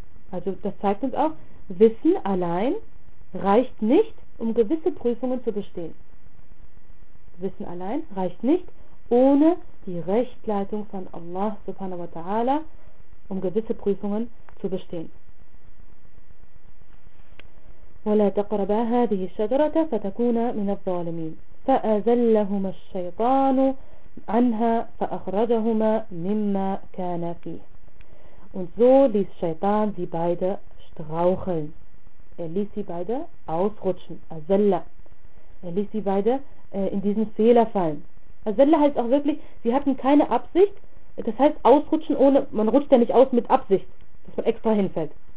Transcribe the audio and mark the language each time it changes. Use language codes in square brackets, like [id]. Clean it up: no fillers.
[de] Also das zeigt uns auch, Wissen allein reicht nicht, um gewisse Prüfungen zu bestehen. Wissen allein reicht nicht, ohne die Rechtleitung von Allah subhanahu wa ta'ala, um gewisse Prüfungen zu bestehen. [ar] ولا تقربا هذه الشجرة فتكونا من الظالمين فأذلهما الشيطان عنها فأخرجهما مما كان فيه. [de] Und so ließ Shaitan sie beide straucheln. Er ließ sie beide ausrutschen. Azalla. Er ließ sie beide in diesen Fehler fallen. Azalla heißt auch wirklich, sie hatten keine Absicht. Das heißt, ausrutschen ohne, man rutscht ja nicht aus mit Absicht, dass man extra hinfällt.